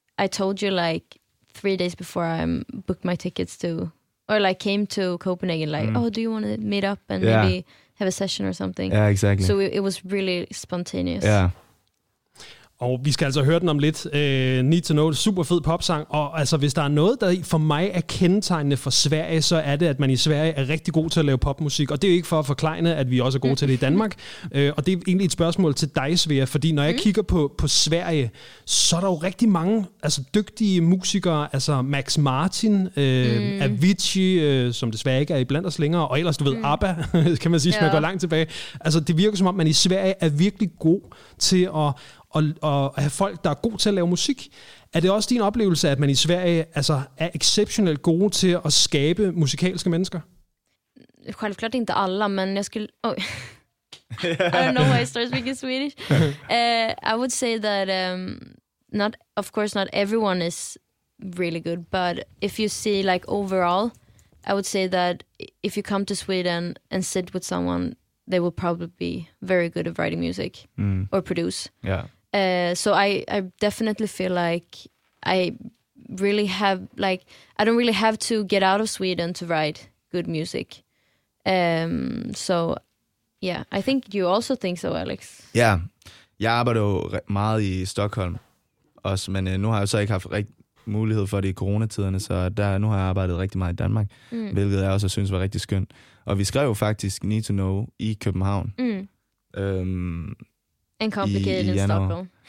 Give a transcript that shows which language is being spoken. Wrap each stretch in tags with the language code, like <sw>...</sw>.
<en>I told you like 3 days before I booked my tickets to, or like came to Copenhagen, like, oh, do you want to meet up and maybe have a session or something? Yeah, exactly. So it was really spontaneous. Yeah.</en> <da>Og vi skal altså høre den om lidt. Need to Know, super fed popsang. Og altså, hvis der er noget, der for mig er kendetegnende for Sverige, så er det, at man i Sverige er rigtig god til at lave popmusik. Og det er jo ikke for at forklare, at vi også er gode til det i Danmark. Og det er egentlig et spørgsmål til dig, Svea. Fordi når jeg kigger på Sverige, så er der jo rigtig mange altså, dygtige musikere. Altså Max Martin, Avicii, som desværre ikke er i blandt os længere. Og ellers, du ved, ABBA, kan man sige, som jeg går langt tilbage. Altså, det virker som om, man i Sverige er virkelig god til at... Og have folk, der er gode til at lave musik. Er det også din oplevelse, at man i Sverige altså, er exceptionelt gode til at skabe musikalske mennesker?</da> <sv>Självklart</sv> <da>ikke alle, men jeg skulle...</da> <en>Oh. I don't know why I start speaking Swedish. I would say that not, of course not everyone is really good, but if you see like overall, I would say that if you come to Sweden and sit with someone, they will probably be very good at writing music or produce. Yeah. So I definitely feel like I really have, like, I don't really have to get out of Sweden to write good music. So, yeah, I think you also think so, Alex. Yeah.</en> <da>Jeg arbejder jo meget i Stockholm også, men nu har jeg jo så ikke haft mulighed for det i coronatiderne, så der, nu har jeg arbejdet rigtig meget i Danmark, hvilket jeg også synes var rigtig skønt. Og vi skrev jo faktisk Need to Know i København. En complicated i Stockholm.</da>